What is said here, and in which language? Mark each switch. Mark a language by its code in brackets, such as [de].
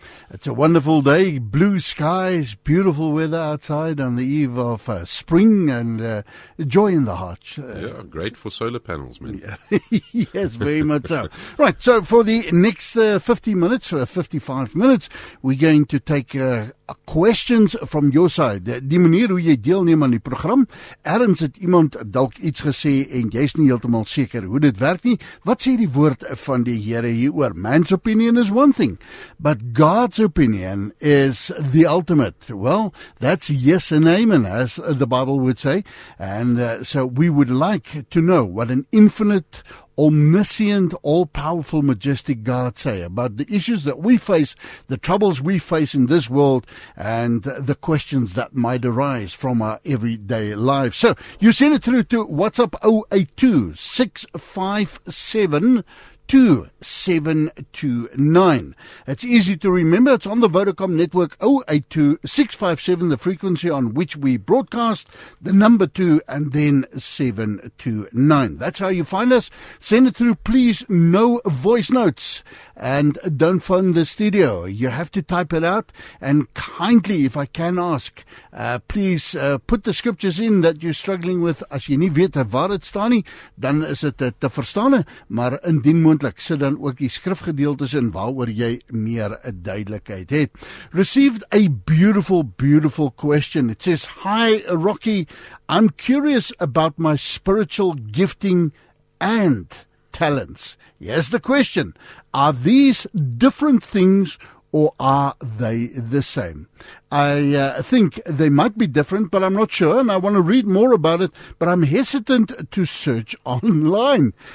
[en] It's a wonderful day, blue skies, beautiful weather outside on the eve of spring, and joy in the heart. Yeah, great for solar panels, man. Yes, very much so. Right, so for the next 55 minutes, we're going to take questions from your side. [af] Die manier hoe jy deelneem aan die program, ergens het iemand dalk iets gesê en jy is nie heeltemal seker hoe dit werk nie. Wat sê die woord van die Here hieroor? [en] Man's opinion is one thing, but God's opinion is the ultimate. Well, that's yes and amen, as the Bible would say. And so we would like to know what an infinite, omniscient, all-powerful, majestic God say about the issues that we face, the troubles we face in this world, and the questions that might arise from our everyday lives. So you send it through to WhatsApp 082-657-2729. It's easy to remember. It's on the Vodacom network, 082-657, the frequency on which we broadcast, the number 2, and then 729. That's how you find us. Send it through, please, no voice notes. And don't phone the studio. You have to type it out. And kindly, if I can ask, please put the scriptures in that you're struggling with. [af] As jy nie weet waar dit staan nie, dan is dit te verstaan. Maar indien moontlik, sit dan ook die skrifgedeeltes in waaroor jy meer duidelikheid het. [en] Received a beautiful, beautiful question. It says, Hi, Rocky. I'm curious about my spiritual gifting and talents. Here's the question. Are these different things or are they the same? I think they might be different, but I'm not sure, and I want to read more about it, but I'm hesitant to search online.